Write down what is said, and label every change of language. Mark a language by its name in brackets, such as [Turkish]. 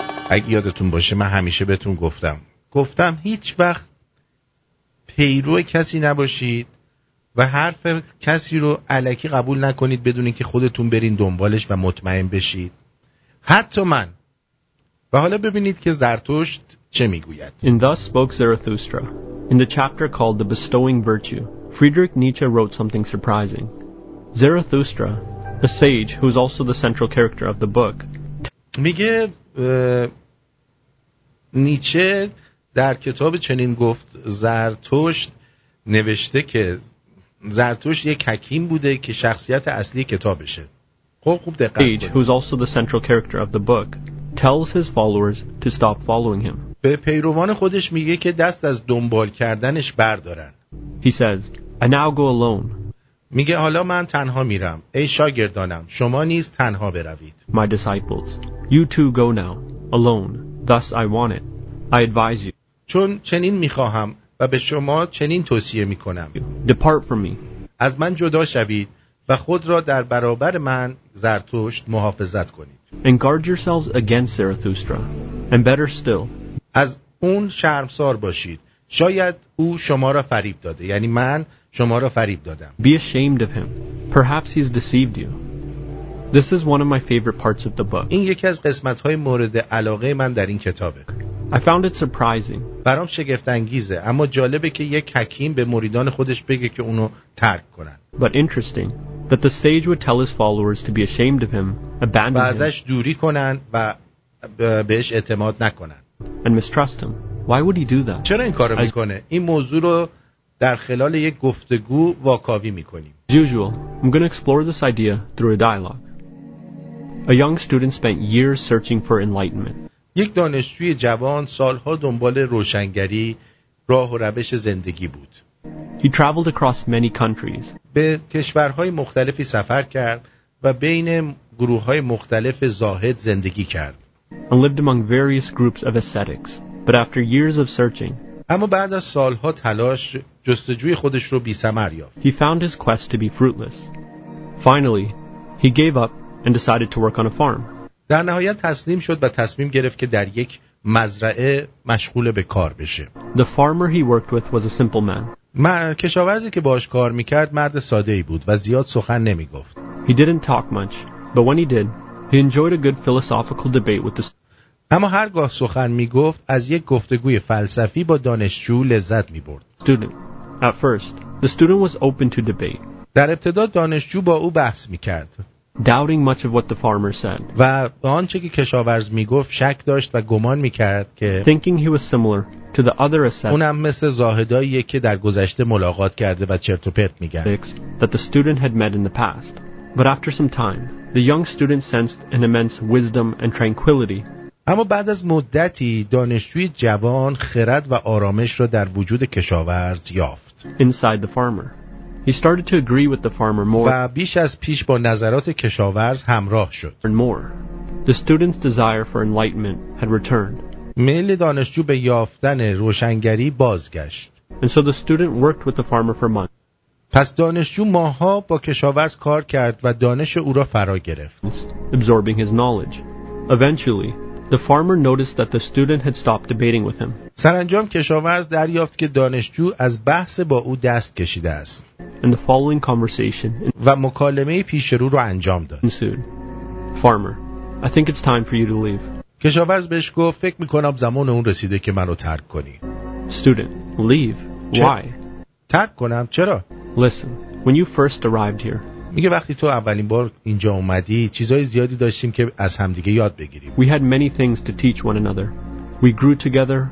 [Persian] اگه یادتون باشه من همیشه بهتون گفتم، گفتم هیچ وقت پیرو کسی نباشید و حرف کسی رو الکی قبول نکنید بدون اینکه خودتون برین دنبالش و مطمئن بشید، حتی من. و حالا ببینید که زرتشت چه میگوید. [English] In Thus Spoke Zarathustra, in the chapter called The Bestowing Virtue, Friedrich Nietzsche wrote something surprising. Zarathustra, a sage who is also the central character of the book. [Persian] میگه نیچه در کتاب چنین گفت زرتشت نوشته که زرتشت یک حکیم بوده که شخصیت اصلی کتابشه. خب خوب دقت کنید. [English] Who is also the central character of the book tells his followers to stop following him. [Persian] به پیروان خودش میگه که دست از دنبال کردنش بردارن. [English] He says, I now go alone. [Persian] میگه حالا من تنها میرم. ای شاگردانم، شما نیز تنها بروید. [English] My disciples, you too go now, alone. Thus I want it. I advise you. [Persian] چون چنین میخواهم و به شما چنین توصیه میکنم. [English] Depart from me. [Persian] از من جدا شوید و خود را در برابر من زرتشت محافظت کنید. [English] And guard yourselves against Zarathustra. And better still. [Persian] از اون شرمسار باشید. شاید او شما را فریب داده. یعنی من شما را فریب دادم. [English] Be ashamed of him. Perhaps he's deceived you. This is one of my favorite parts of the book. [Persian] این یکی از قسمت‌های مورد علاقه من در این کتابه. [English] I found it surprising. [Persian] برام شگفت‌انگیزه، اما جالبه که یک حکیم به مریدان خودش بگه که اونو ترک کنن. [English] But interesting that the sage would tell his followers to be ashamed of him, abandon him. [Persian] و ازش دوری کنن و بهش اعتماد نکنن. [English] And mistrust him. Why would he do that? [Persian] چرا این کارو میکنه؟ این موضوع رو در خلال یک گفتگو واکاوی میکنیم. [English] As usual, I'm going to explore this idea through a dialogue. A young student spent years searching for enlightenment. [Persian] یک دانشجوی جوان سالها دنبال روشنگری، راه و روش زندگی بود. [English] He traveled across many countries. [Persian] به کشورهای مختلفی سفر کرد و بین گروه‌های مختلف زاهد زندگی کرد. [English] And lived among various groups of ascetics. But after years of searching, [Persian] اما بعد از سالها تلاش جستجوی خودش رو بی‌ثمر یافت. [English] He found his quest to be fruitless. Finally, he gave up and decided to work on a farm. [Persian] در نهایت تسلیم شد و تصمیم گرفت که در یک مزرعه مشغول به کار بشه. [English] The farmer he worked with was a simple man. [Persian] کشاورزی که باش کار میکرد مرد ساده‌ای بود و زیاد سخن نمیگفت. [English] He didn't talk much, but when he did, he enjoyed a good philosophical debate with [Persian] اما هرگاه سخن میگفت از یک گفتگوی فلسفی با دانشجو لذت میبرد. [English] Student. At first, the student was open to debate. [Persian] در ابتدا دانشجو با او بحث میکرد. [English] Doubting much of what the farmer said. [Persian] و آنچه که کشاورز میگفت شک داشت و گمان میکرد که [English] Thinking he was similar to the other ascetics. [Persian] اونم مثل زاهدایی که در گذشته ملاقات کرده و چرت و پرت میگن. [English] That the student had met in the past. But after some time, the young student sensed an immense wisdom and tranquility. [Persian] اما بعد از مدتی دانشجوی جوان خرد و آرامش را در وجود کشاورز یافت. [English] Inside the farmer. He started to agree with the farmer more. [Persian] و بیش از پیش با نظرات کشاورز همراه شد. [English] And more. The student's desire for enlightenment had returned. [Persian] میل دانشجو به یافتن روشنگری بازگشت. [English] And so the student worked with the farmer for months. [Persian] پس دانشجو ماها با کشاورز کار کرد و دانش او را فرا گرفت. [English] Absorbing his knowledge. Eventually, the farmer noticed that the student had stopped debating with him. [Persian] سرانجام کشاورز دریافت که دانشجو از بحث با او دست کشیده است. [English] And the following conversation [Persian] و مکالمه پیش رو رو انجام داد. [English] Ensued. Farmer, I think it's time for you to leave. [Persian] کشاورز بهش گفت فکر میکنم زمان اون رسیده که منو ترک کنی. [English] Student, leave. Why? [Persian] ترک کنم چرا؟ [English] Listen, when you first arrived here. [Persian] میگه وقتی تو اولین بار اینجا اومدی چیزای زیادی داشتیم که از همدیگه یاد بگیریم. [English] We had many things to teach one another. We grew together.